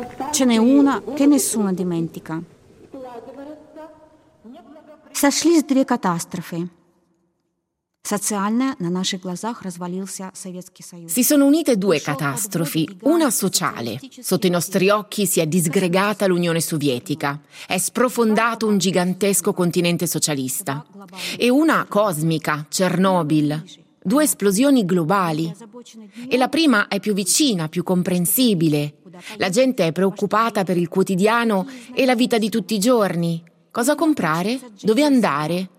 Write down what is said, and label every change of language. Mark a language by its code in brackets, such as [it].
[it] Ce n'è una che nessuno dimentica. [ru] Сошлись две катастрофы. Социальная на наших глазах развалился Советский Союз. [it] Si sono unite due catastrofi, una sociale. Sotto i nostri occhi si è disgregata l'Unione Sovietica. È sprofondato un gigantesco continente socialista. E una cosmica, Chernobyl. Due esplosioni globali. E la prima è più vicina, più comprensibile. La gente è preoccupata per il quotidiano e la vita di tutti i giorni. Cosa comprare? Dove andare?